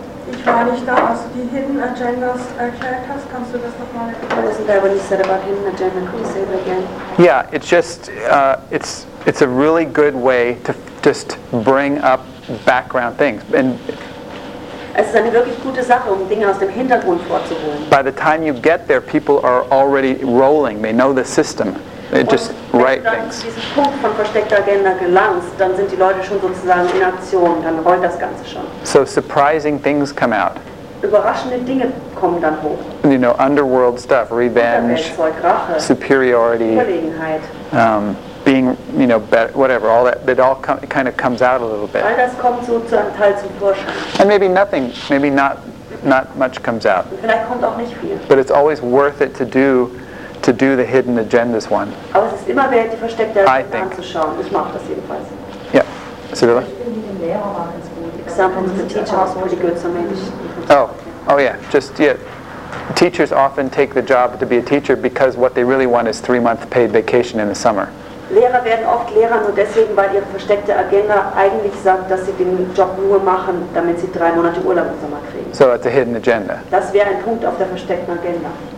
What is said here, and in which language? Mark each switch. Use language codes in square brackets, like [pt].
[de] Ich war nicht da, als du die Hidden Agendas erklärt hast. Kannst du das nochmal erklären? [en] Wasn't there when you said about Hidden Agenda? Could you say it again? Yeah, it's just, it's a really good way to just bring up background things. And [de] es ist eine wirklich gute Sache, Dinge aus dem Hintergrund vorzuholen. [en] By the time you get there, people are already rolling. They know the system. They just write things. [de] Wenn du dann diesen Punkt von versteckter Agenda gelangst, dann sind die Leute schon sozusagen in Aktion, dann rollt das Ganze schon. [en] So surprising things come out. [de] Überraschende Dinge kommen dann hoch. [en] You know, underworld stuff, revenge, [de] Rache, [en] superiority, [de] Überlegenheit. [en] Being, you know, better, whatever, all that, it all kind of comes out a little bit. [de] All das kommt so zu einem Teil zum Vorschein. [en] And maybe nothing, maybe not much comes out. [de] Vielleicht kommt auch nicht viel. [en] But it's always worth it to do the hidden agendas one. [de] Aber es ist immer wert, die versteckte Agenda anzuschauen. Ich mache das jedenfalls. [en] Yeah. Sibylla? Examples of the teacher was pretty good, so maybe she... Teachers often take the job to be a teacher because what they really want is 3-month paid vacation in the summer. [de] Lehrer werden oft Lehrer nur deswegen, weil ihre versteckte Agenda eigentlich sagt, dass sie den Job nur machen, damit sie 3 Monate Urlaub im Sommer kriegen. [en] So that's a hidden agenda. [de] Das wäre ein Punkt auf der versteckten Agenda.